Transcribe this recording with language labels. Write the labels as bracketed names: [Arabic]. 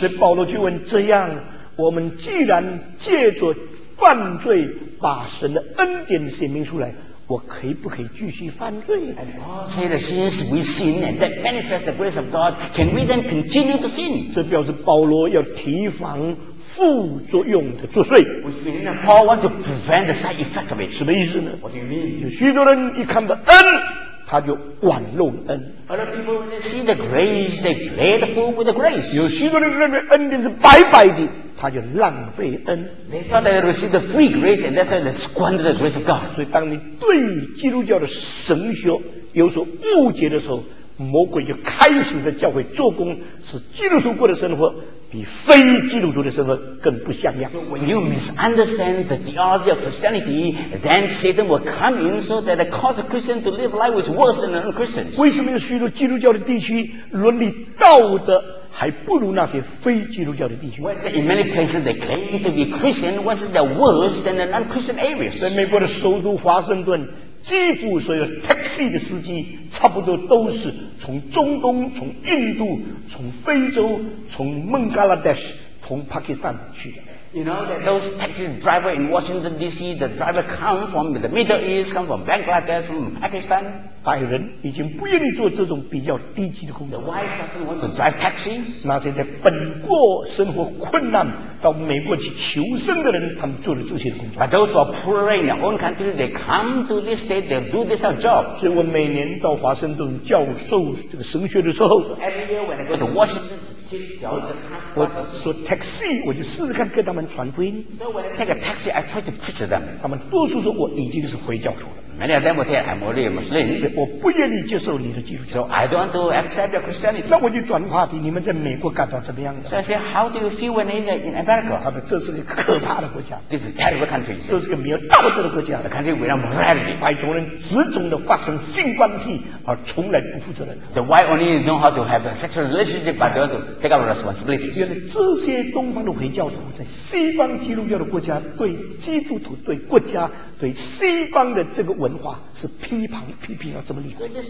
[Chinese] 所以保罗就问：这样，我们既然借着犯罪把神的恩典显明出来？我可以不可以继续犯罪 [English] ？And Paul said, since we sin and that manifests the grace of God, can we then continue to sin? [Chinese] 这表示保罗要提防副作用的作祟。 [English] Which means Paul wants to prevent the side effect of it. [Chinese] 什么意思呢 [English] ？What do you mean? [Chinese] 有许多人一看到恩，他就玩弄恩。 [English] Other people when they see the grace, they play the fool with the grace. [Chinese] 有许多人认为恩典是白白的。他就浪费恩 [English] They thought they received the free grace and that's why they squandered the grace of God [Chinese] 所以当你对基督教的神学有所误解的时候魔鬼就开始在教会做工使基督徒过的生活比非基督徒的生活更不像样 [English] So when you misunderstand the theology of Christianity then Satan will come in so that it causes Christians to live life which is worse than non-Christians [Chinese] 为什么有许多基督教的地区伦理道德还不如那些非基督教的地区。 [English] In many places, they claim to be Christian, was it worse than the non-Christian areas? [Chinese] 在美国的首都华盛顿，几乎所有 taxi 的司机，差不多都是从中东、从印度、从非洲、从孟加拉 dash、从 Pakistan 去的。 [English] You know that those taxi driver in Washington D.C. the driver come from the Middle East, come from Bangladesh, from Pakistan. [Chinese] 白人已经不愿意做这种比较低级的工作。 [English] The white person want to drive taxis. [Chinese] 那些在本国生活困难到美国去求生的人，他们做了这些工作。 [English] But those who are poor in their own country, they come to this state, they do this job. [Chinese] 所以我每年到华盛顿教授这个神学的时候 [English] ，Every year when I go to Washington. [Chinese] 我说 taxi， 我就试试看跟他们传福音。 [English] Take a taxi， I try to teach them。 [Chinese] 他们多数说我已经是回教徒了。 [English] Many of them will say I'm already a Muslim。 [Chinese] 所以我不愿意接受你的基督教。 [English] So I don't want to accept your Christianity。 [Chinese] 那我就转话题，你们在美国感到怎么样的 [English] ？So I say how do you feel when you're in America？ [Chinese] 他们这是个可怕的国家。 [English] This is a terrible country。 [Chinese] 这是个没有道德的国家。 [English] The country without morality。 [Chinese] 白种人只懂得发生性关系，而从来不负责任。 [English] The white only know how to have a sexual relationship， but don't take up responsibility。 [Chinese] 原来这些东方的回教徒在西方基督教的国家，对基督徒、对国家、对西方的这个文化是批评到这么厉害。